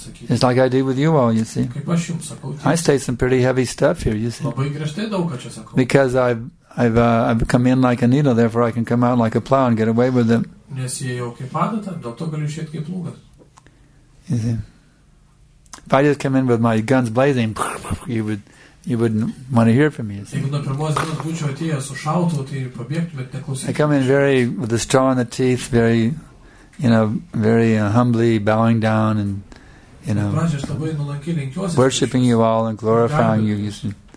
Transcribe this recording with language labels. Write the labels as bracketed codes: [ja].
[en] It's like I do with you all, you see. I say some pretty heavy stuff here, you see. Because I've I've come in like a needle, therefore I can come out like a plow and get away with it. [lt] Nes jie jau kaip padata, dėl to galiu išėti kaip plūgas. [en] You see? If I just come in with my guns blazing, you wouldn't want to hear from me. I come in very with the straw in the teeth, very, you know, very humbly bowing down and, you know, worshipping you all and glorifying you. You see?